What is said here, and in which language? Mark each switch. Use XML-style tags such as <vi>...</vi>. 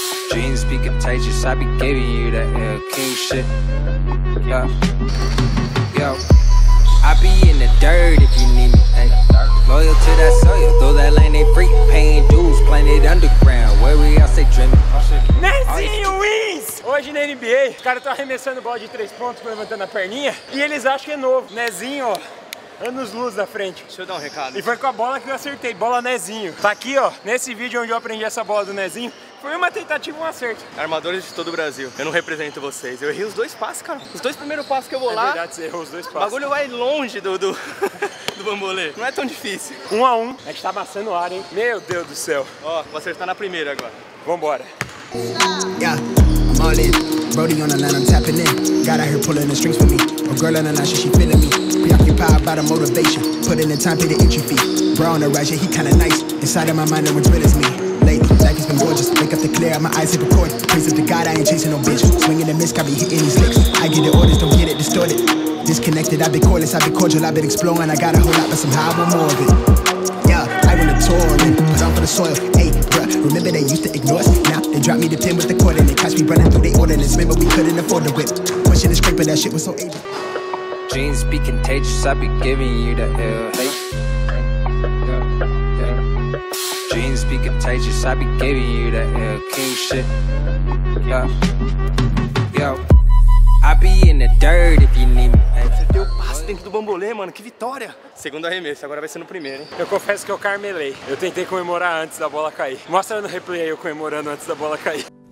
<en>Dreams be contagious, I be giving you the ill. King shit. Yo, I be in the dirt if you need me, ayy. Loyal to that soil, though that land ain't free. Paying dues, planted underground, where we all stay dreaming. Nezinho Wins!</en> <pt>Hoje na NBA, os caras estão arremessando bola de 3 pontos, levantando a perninha, e eles acham que é novo. Nezinho, anos luz da frente. Deixa eu dar um recado. E foi com a bola que eu acertei, bola Nezinho. Tá aqui, ó, nesse vídeo onde eu aprendi essa bola do Nezinho. Foi uma tentativa, um acerto. Armadores de todo o Brasil. Eu não represento vocês. Eu errei os dois passos, cara. Os dois primeiros passos que eu vou é lá... É verdade, você errou os dois passos. O bagulho vai longe do bambolê. Não é tão difícil. 1-1. A gente tá amassando o ar, hein? Meu Deus do céu. Ó, vou acertar na primeira agora. Vambora.</pt> <en>Yeah, Brody on the line, I'm tapping in. Got out here pulling the strings for me. A girl on the line, she feeling me. Preoccupied by the motivation. Put in the time, pay the entry fee. Bro on the ride, yeah, he kinda nice. Inside of my mind, no one's with me. Lately, life has been gorgeous. Wake up the clear, my eyes hit record. Praise up to God, I ain't chasing no bitch. Swinging the miss, got me hitting these licks. I get the orders, don't get it distorted. Disconnected, I've been cordless, I've been cordial. I've been exploring, I got a whole lot, but somehow I want more of it. Yeah, I want a tour, man. Cause I'm for the soil, hey, bruh. Remember they used to ignore us. Now they drop me the pin with the cord and they catch me running through the ordinance. Remember we couldn't afford the whip. Pushing the scraper, that shit was so agent. Genes be contagious, I be giving you the ill hate. Genes be contagious, I be giving you the ill king shit. Yo, I be in the dirt if you need me.</en> <pt>Você deu passe dentro do bambolê, mano, que vitória. Segundo arremesso, agora vai ser no primeiro, hein. Eu confesso que eu carmelei, eu tentei comemorar antes da bola cair. Mostra no replay aí eu comemorando antes da bola cair.</pt>